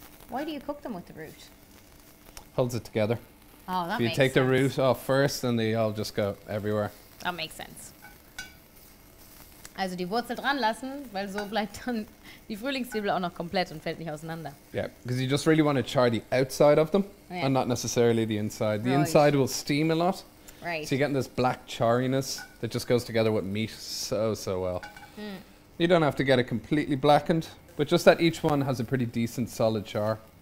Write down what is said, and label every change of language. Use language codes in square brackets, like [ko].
[en] Why do you cook them with the root? Holds it together. Oh, that makes sense. If you take the root off first, then they all just go everywhere. That makes sense. [de] Also die Wurzel dran lassen, weil so bleibt dann die Frühlingszwiebel auch noch komplett und fällt nicht auseinander. [en] Yeah, because you just really want to char the outside of them and not necessarily the inside. The inside will steam a lot. Right. So you're getting this black charriness that just goes together with meat so, so well. Mm. You don't have to get it completely blackened, but just that each one has a pretty decent solid char.